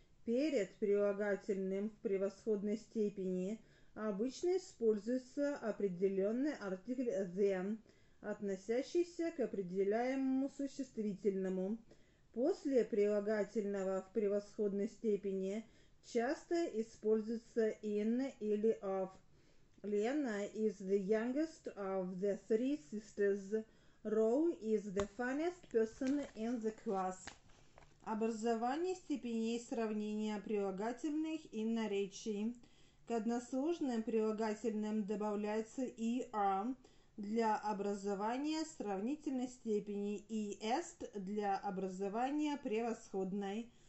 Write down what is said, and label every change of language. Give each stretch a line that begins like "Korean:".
Russian: Перед прилагательным в превосходной степени обычно используется определенный артикль than, относящийся к определяемому существительному. После прилагательного в превосходной степени часто используется in или of.
English: Lena is the youngest of the three sisters. Row is the funniest person in the class.
Russian: Образование степеней сравнения прилагательных и наречий. К односложным прилагательным добавляется er для образования сравнительной степени и est для образования превосходной.